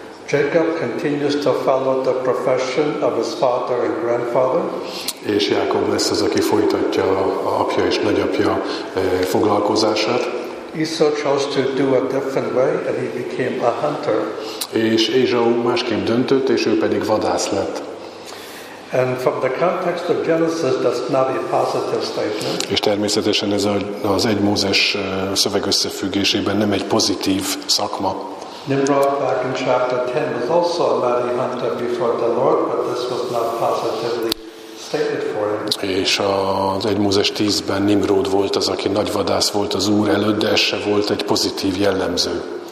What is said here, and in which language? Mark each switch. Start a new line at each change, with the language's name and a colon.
English: Jacob continues to follow the profession of his father and grandfather.
Hungarian: És Jákob lesz az, aki folytatja a apja és nagyapja foglalkozását.
English: Esau chose to do a different way, and he became a hunter.
Hungarian: És Ézsau másképp döntött, és ő pedig vadász lett.
English: And from the context of Genesis, that's not a positive statement.
Hungarian: És természetesen ez az 1 Mózes szöveg összefüggésében nem egy pozitív szakma.
English: Nimrod back in chapter 10 was also a mighty hunter before the Lord, but this was not positively stated for him.
Hungarian: És az 1 Mózes 10-ben Nimrod volt az, aki nagy vadász volt az Úr előtt, de ez se volt egy pozitív jellemző.